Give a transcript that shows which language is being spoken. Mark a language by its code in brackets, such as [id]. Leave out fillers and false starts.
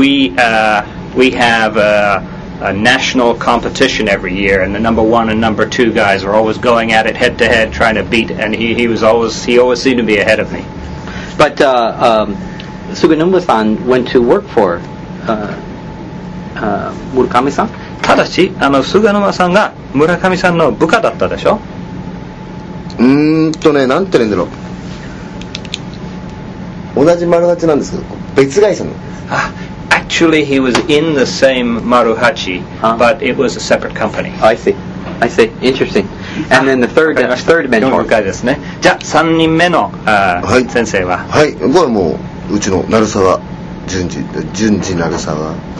[en] We have a national competition every year, and the number one and number two guys are always going at it head to head, trying to beat. And he always seemed to be ahead of me. But Suganuma-san went to work for Murakami-san. [ja] ただし、あの Suganuma-san が Murakami-san の部下だったでしょ。ね、なんて言うんだろう、同じ丸八なんですけど別会社の。 [en] Actually, he was in the same Maruhachi, but it was a separate company. I see. I see. Interesting. And then the third mentor. [ja] じゃあ、3人目の、はい、先生は。はい。これはもう、うちの鳴沢淳二、淳二鳴沢。